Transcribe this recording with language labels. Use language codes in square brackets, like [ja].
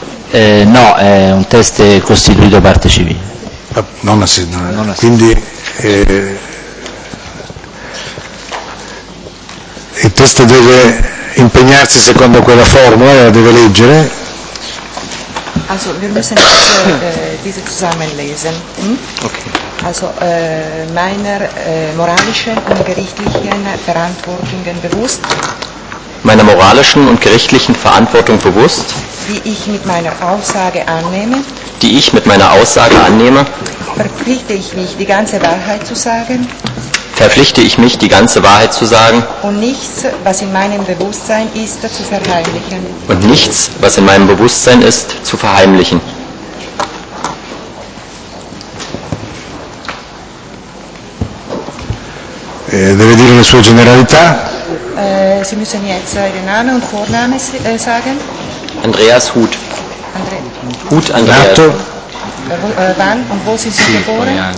[it] No, è un test costituito parte civile. Non assistito. Quindi il test deve impegnarsi secondo quella formula, la deve leggere. [de] Also, wir müssen jetzt diese zusammenlesen. Hm? Okay. Also, meiner moralischen und gerichtlichen Verantwortung bewusst. Meiner moralischen und gerichtlichen Verantwortung bewusst. Die ich mit meiner Aussage annehme. Die ich mit meiner Aussage annehme. Verpflichte ich mich, die ganze Wahrheit zu sagen. Verpflichte ich mich, die ganze Wahrheit zu sagen. Und nichts, was in meinem Bewusstsein ist, zu verheimlichen. Und nichts, was in meinem Bewusstsein ist, zu verheimlichen. [it] Deve dire la sua generalità. [de] Sie müssen jetzt Ihren Namen und Vornamen sagen. Andreas Hut. [it] Hut Andreas. Nato. [de] Wann und wo sind Sie geboren?